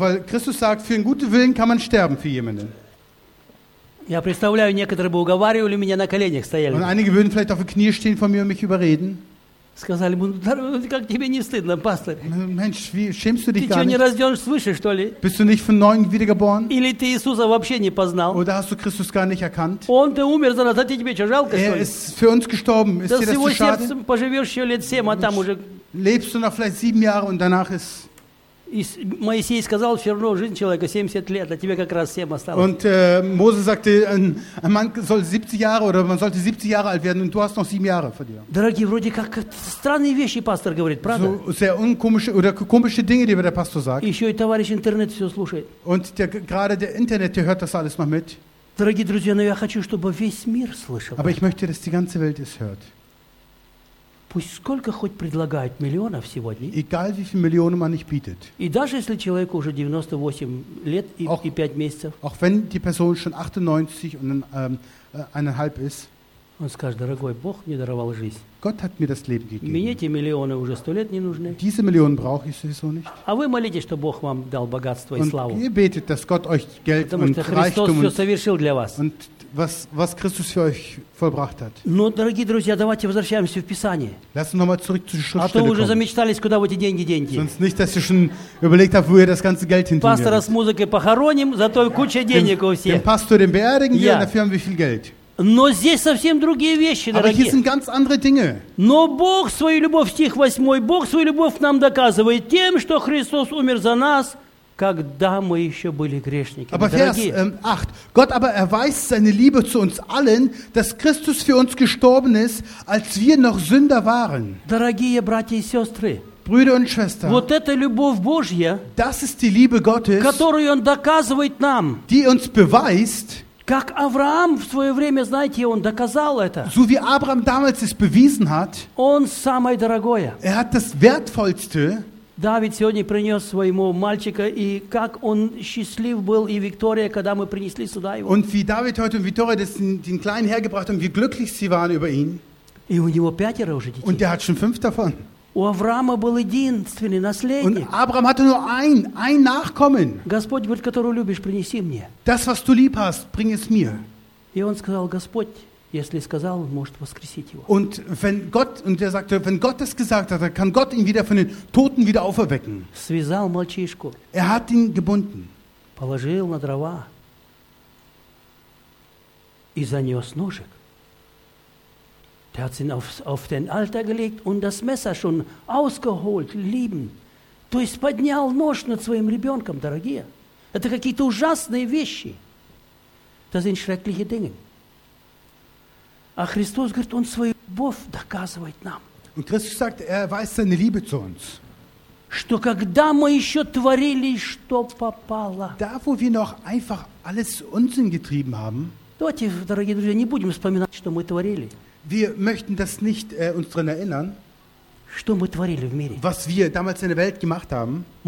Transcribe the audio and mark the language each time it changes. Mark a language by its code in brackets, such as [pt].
[de] Weil Christus sagt, für einen guten Willen kann man sterben für jemanden. [ru] Я представляю, некоторые бы уговаривали меня на коленях стояли. [de] Und einige würden vielleicht auf den Knien stehen von mir und mich überreden. [ru] Сказали бы, как тебе не стыдно, пастор? [de] Mensch, wie schämst du dich? [ru] Ты что, не рожден свыше, что ли? [de] Bist du nicht von neuem wiedergeboren? [ru] Или ты Иисуса вообще не познал? [de] Oder hast du Christus gar nicht erkannt? [ru] Он-то умер за нас, а тебе что, жалко, что ли? [de] Er ist für uns gestorben. Ist dir das zu schade? [ru] Поживешь еще лет 7, а там уже... [de] Lebst du noch vielleicht 7 Jahre und danach ist... [ru] Моисей сказал, все равно жизнь человека 70 лет, а тебе как раз 7 осталось. [de] Und Mose sagte, ein Mann soll 70 Jahre oder man sollte 70 Jahre alt werden und du hast noch 7 Jahre vor dir. [ru] Дорогие, вроде как странные вещи пастор говорит, правда? [de] So, sehr unkomische oder komische Dinge, die der Pastor sagt. [ru] Еще и товарищ интернет все слушает. [de] Und gerade der Internet, der hört das alles noch mit. [ru] Дорогие друзья, но я хочу, чтобы весь мир слышал. [de] Aber ich möchte, dass die ganze Welt es hört. [ru] Пусть сколько хоть предлагают миллионов сегодня. [de] Egal, wie viele Millionen man nicht bietet. [ru] И даже если человеку уже 98 лет и, auch, и 5 месяцев. [de] Auch wenn die Person schon 98 und eineinhalb ist. [ru] Он скажет, дорогой, Бог мне даровал жизнь. [de] Gott hat mir das Leben gegeben. [ru] Мне эти миллионы уже 100 лет не нужны. [de] Diese Millionen brauche ich sowieso nicht. [ru] А вы молитесь, что Бог вам дал богатство [de] und [ru] и славу. [de] Ihr betet, dass Gott euch Geld [ru] Потому [de] und [ru] что Христос [de] Reichtum [ru] все совершил для вас. [de] Und was Christus für euch vollbracht hat. [ru] Но, дорогие друзья, давайте возвращаемся в Писание. [de] Lass uns nochmal zurück zu den Schriftstellen. [ru] А то вы уже замечтались, куда вы эти деньги денете. [de] Sonst nicht, dass ihr schon überlegt habt, wo ihr das ganze Geld hin tun werdet. [ru] Пастора с музыкой похороним, зато куча денег у всех. [de] Den Pastor, den beerdigen wir, dafür haben wir viel Geld. [ru] Но здесь совсем другие вещи, [de] Aber [ru] дорогие. [de] Hier sind ganz andere Dinge. [ru] Но Бог свою любовь, стих 8, Бог свою любовь нам доказывает тем, что Христос умер за нас, когда мы еще были грешниками. [de] Aber Vers 8. Gott aber erweist seine Liebe zu uns allen, dass Christus für uns gestorben ist, als wir noch Sünder waren. [ru] Дорогие братья и сестры, [de] Brüder und Schwestern, [ru] вот эта любовь Божья, [de] das ist die Liebe Gottes, [ru] которую Он доказывает нам, [de] die uns beweist, [ru] как Авраам в свое время, знаете, он доказал это. [de] So wie Abraham damals es bewiesen hat, [ru] он самое дорогое. [de] Er hat das Wertvollste. [ru] Давид сегодня принес своему мальчика, и как он счастлив был, и Виктория, когда мы принесли сюда его. [de] Und wie David heute und Victoria das, den Kleinen hergebracht haben, wie glücklich sie waren über ihn. [ru] И у него пятеро уже детей. [de] Und er hat schon 5 davon. [ru] У Авраама был единственный наследник. [de] Und Abraham hatte nur ein Nachkommen. [ru] Господь говорит, которого любишь, принеси мне. [de] Das, was du lieb hast, bring es mir. [ru] И он сказал, Господь, если сказал, может воскресить его. [de] Und wenn Gott, und er sagte, wenn Gott es gesagt hat, dann kann Gott ihn wieder von den Toten wieder auferwecken. [ru] Связал мальчишку. [de] Er hat ihn gebunden. [ru] Положил на дрова. И занес ножик. [de] Der hat ihn auf den Altar gelegt und das Messer schon ausgeholt, lieben. [ru] То есть поднял нож над своим ребенком, дорогие. Это какие-то ужасные вещи. [de] Das sind schreckliche Dinge. [ru] А Христос говорит, Он свою любовь доказывает нам. [de] Und Christus sagt, er erweist seine Liebe zu uns. [ru] Что когда мы еще творили, что попало. [de] Da, wo wir noch einfach alles Unsinn getrieben haben. [ru] Давайте, дорогие друзья, не будем вспоминать, что мы творили. [de] Wir möchten das nicht uns daran erinnern, was wir damals in der Welt gemacht haben.